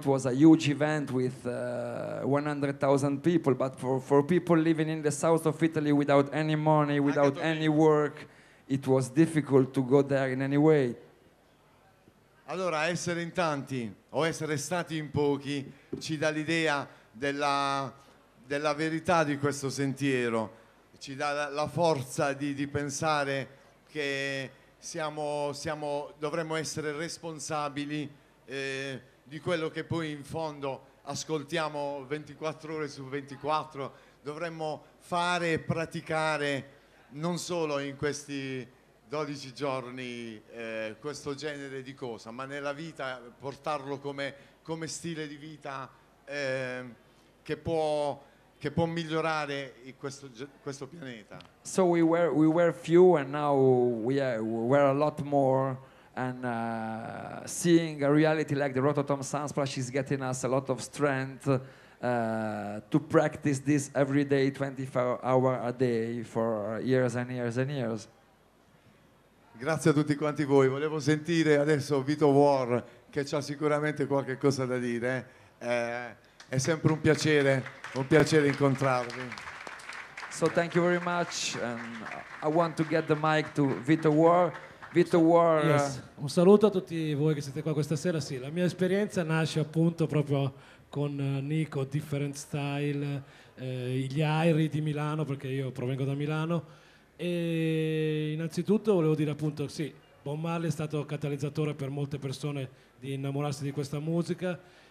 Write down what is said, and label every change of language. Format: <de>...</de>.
<en>It was a huge event with 100,000 people, but for people living in the south of Italy without any money, without any work, it was difficult to go there in any way.</en> <it>Allora, essere in tanti o essere stati in pochi ci dà l'idea della verità di questo sentiero, ci dà la forza di pensare che siamo dovremmo essere responsabili di quello che poi in fondo ascoltiamo 24 ore su 24, dovremmo fare e praticare non solo in questi 12 giorni questo genere di cosa, ma nella vita portarlo come stile di vita che può migliorare questo pianeta.</it> <en>So we were few, and now we're a lot more, and seeing a reality like the Rototom Sunsplash is getting us a lot of strength to practice this every day, 24 hours a day, for years and years and years.</en> <it>Grazie a tutti quanti voi. Volevo sentire adesso Vito War, che c'ha sicuramente qualche cosa da dire. È sempre un piacere incontrarvi.</it> <en>So thank you very much, and I want to get the mic to Vito War. Vito War, yes.</en> <it>Un saluto a tutti voi che siete qua questa sera. Sì, la mia esperienza nasce appunto proprio con Nico, Different Style, gli Airi di Milano, perché io provengo da Milano, e innanzitutto volevo dire, appunto, sì, Bob Marley è stato catalizzatore per molte persone di innamorarsi di questa musica.</it>